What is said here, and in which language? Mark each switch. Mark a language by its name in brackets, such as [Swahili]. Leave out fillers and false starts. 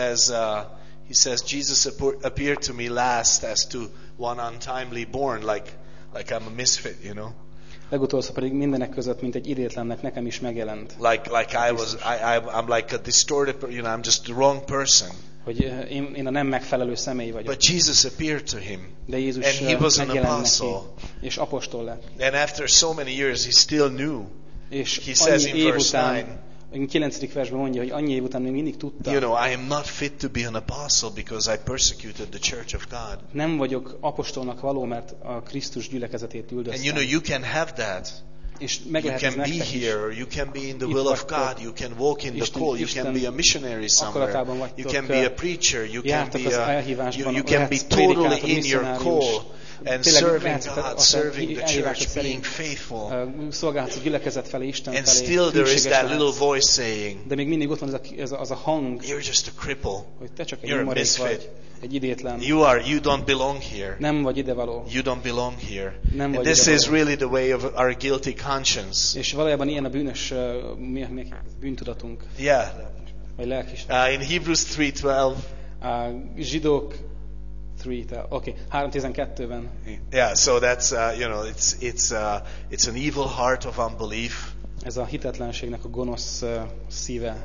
[English] He says Jesus appeared to me last as to one untimely born, like I'm a misfit, you know. [Hungarian] Legutolsóbb pedig mindenek között, mint egy idétlennek nekem is megjelent. [English] Like I was I'm like a distorted, you know, I'm just the wrong person. [Hungarian] Hogy én a nem megfelelő személy vagyok. [English] But Jesus appeared to him. [Hungarian] De Jézus [English] and he was an apostle. [Hungarian] És apostol lett. [English] And after so many years he still knew. És he says in verse 9. 9. [Hungarian] versben mondja, hogy annyi év után még mindig tudta. [English] You know, I am not fit to be an apostle because I persecuted the church of God. [Hungarian] Nem vagyok apostolnak való, mert a Krisztus gyülekezetét üldöztem. [English] And you know, you can have that. You can be here, [Hungarian] is. [English] You can be in the will of God, you can walk in the call, you can be a missionary somewhere, you can be a preacher, you can be a, you can be totally in your call and serving God, serving the church, being faithful. And still there is that little voice saying, you're just a cripple, you're a misfit. You don't belong here. [Hungarian] Nem vagy ide való. [English] You don't belong here. [Hungarian] Nem vagy [English] and this [Hungarian] ide való. [English] Is really the way of our guilty conscience. [Hungarian] És valójában ilyen a bűnös mi bűntudatunk. [English] Yeah. [Hungarian] Vagy lelki. [English] In Hebrews 3:12. [Hungarian] Zsidók 3:12. Okay. 3:12-ben. [English] Yeah. So that's you know it's an evil heart of unbelief. [Hungarian] Ez a hitetlenségnek a gonosz szíve.